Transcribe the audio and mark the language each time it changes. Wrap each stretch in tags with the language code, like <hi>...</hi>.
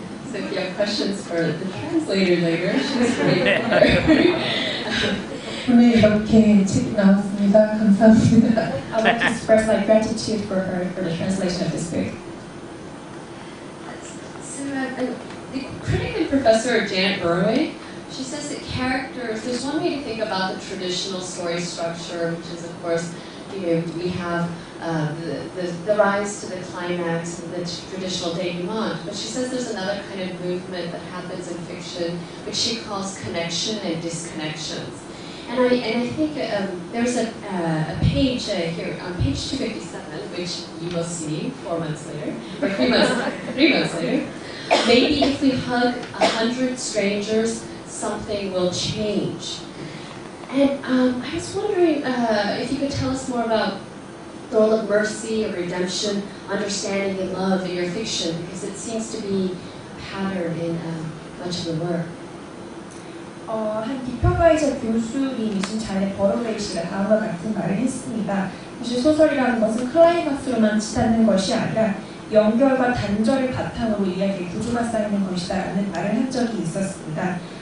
<en>So if you have questions for the translator later, she's great.</en> <ko>오늘 이렇게 책 나왔습니다. 감사합니다.</ko> <en>I want to express my gratitude for her for the translation of this book. So the critic and professor Janet Burway, she says that characters, there's one way to think about the traditional story structure, which is of course, you know, we have the rise to the climax and the traditional denouement. But she says there's another kind of movement that happens in fiction, which she calls connection and disconnections. And I think there's a page here on page 257, which you will see 4 months later, or three months later. Maybe if we hug 100 strangers, something will change. And I was wondering if you could tell us more about the role of mercy or redemption, understanding and love in your fiction, because it seems to be a pattern in much of the work.</en> <ko>한 비평가이자 교수님이신 자네 버로레이시가 다음과 같은 말을 했습니다. 사실 소설이라는 것은 클라이막스로만 치닫는 것이 아니라 연결과 단절을 바탕으로 이야기를 구조가 쌓이는 것이다 라는 말을 한 적이 있었습니다.</ko>